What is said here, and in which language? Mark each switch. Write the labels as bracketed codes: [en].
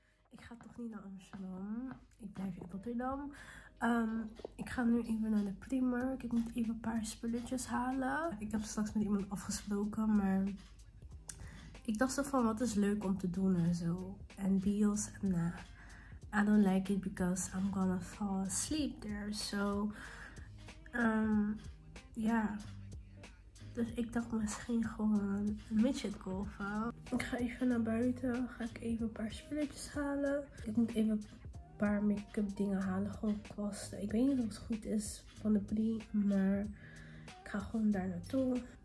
[nl] Ik ga toch niet naar Amsterdam. Ik blijf in Rotterdam. Ik ga nu even naar de Primark. Ik moet even een paar spulletjes halen. Ik heb straks met iemand afgesproken, maar ik dacht zo van wat is leuk om te doen en zo. [en] En Bios en I don't like it because I'm gonna fall asleep there. So yeah. [nl] Dus ik dacht misschien gewoon een midget golven. Ik ga even naar buiten. Ga ik even een paar spulletjes halen. Ik moet even een paar make-up dingen halen. Gewoon kwasten. Ik weet niet of het goed is van de Brie. Maar ik ga gewoon daar naartoe.